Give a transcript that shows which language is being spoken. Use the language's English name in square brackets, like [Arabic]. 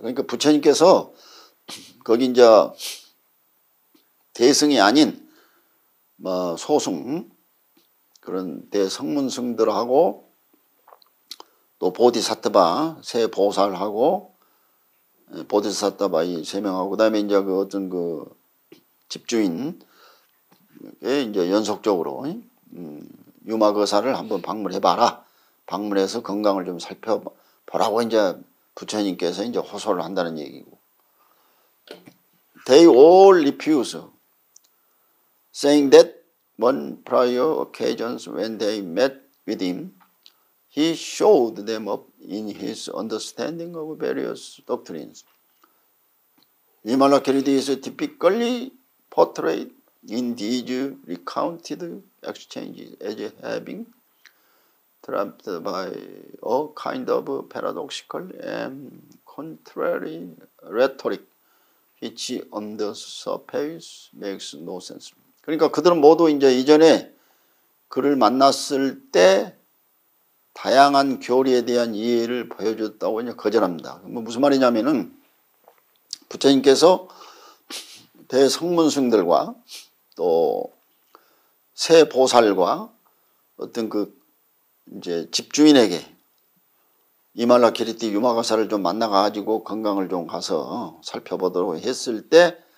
[Korean] 그러니까 부처님께서 거기 이제 대승이 아닌 뭐 소승 그런 대성문승들하고 또 보디사트바 세 보살하고 보디사트바 이 세 명하고 그다음에 이제 그 어떤 그 집주인의 이제 연속적으로 유마거사를 한번 방문해봐라. 방문해서 건강을 좀 살펴보라고 이제 부처님께서 이제 호소를 한다는 얘기고. [English] They all refuse, saying that on prior occasions when they met with him, he showed them up in his understanding of various doctrines. Imalakiriti is typically portrayed in these recounted exchanges as having trapped by a kind of paradoxical and contrary rhetoric which on the surface makes no sense. [Korean] 그러니까 그들은 모두 이제 이전에 그를 만났을 때 다양한 교리에 대한 이해를 보여줬다고 이제 거절합니다. 뭐 무슨 말이냐면은 부처님께서 대성문승들과 또 세 보살과 어떤 그 이제 집주인에게 이말라키리티 유마거사를 좀 만나가지고 건강을 좀 가서 살펴보도록 했을 때